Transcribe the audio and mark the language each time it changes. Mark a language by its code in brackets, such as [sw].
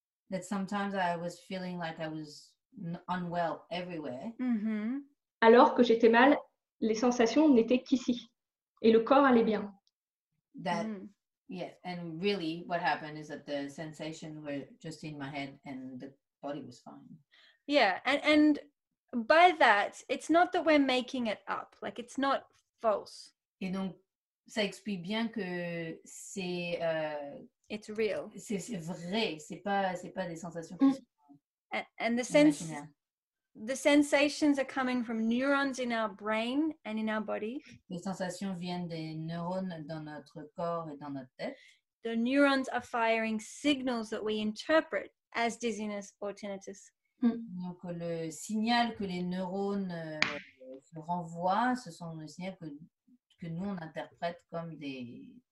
[en] That sometimes I was feeling like I was unwell everywhere. Mm-hmm. [fr] Alors que j'étais mal, les sensations n'étaient qu'ici. Et le corps allait bien. [en] That, yeah, and really what happened is that the sensations were just in my head and the body was fine. Yeah, and by that, it's not that we're making it up. Like, it's not false. [fr] Et donc, ça explique bien que c'est... [en] It's real. [fr] C'est vrai. C'est pas des sensations. Mm. [en] And the sense, imaginaire. The sensations are coming from neurons in our brain and in our body. [fr] Les sensations viennent des neurones dans notre corps et dans notre tête. [en] The neurons are firing signals that we interpret as dizziness or tinnitus. [fr] Donc le signal que les neurones se renvoient, ce sont les signaux que nous on interprète comme des